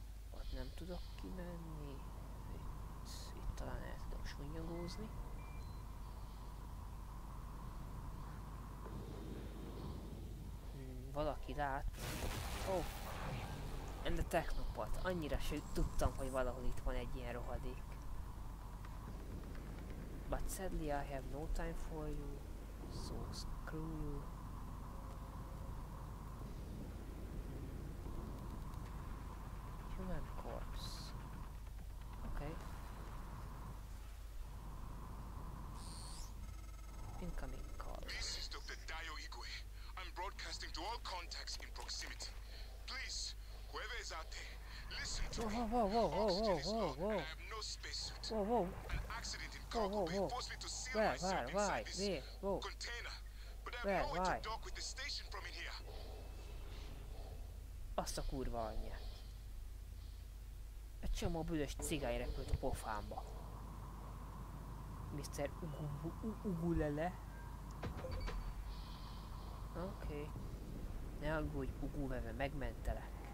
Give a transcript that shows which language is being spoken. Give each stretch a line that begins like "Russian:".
Hungarian: Ott nem tudok kimenni. Itt talán el tudok sunyogózni. Valaki lát.
English: Oh. And the technopot.
Hungarian: Annyira se tudtam, hogy valahol itt van egy ilyen rohadék.
English: But sadly I have no time for you. So screw you. Human corpse. Okay. Incoming call. This is Dr. Dayo Igwe. I'm broadcasting to all contacts in proximity. Please, whoever is out there, listen to whoa, me. Whoa, whoa, whoa, whoa, whoa, whoa, whoa, whoa. I have no spacesuit. Whoa, whoa. An accident in Cargo Bay forced me to seal myself inside this container. But I have nowhere to dock with the station from in here.
Hungarian: Azt a kurva anyját. Egy csomó büdös cigány repült a pofámba. Mr. Ugulele. Oké. Ne aggódj, Uguveve, megmentelek.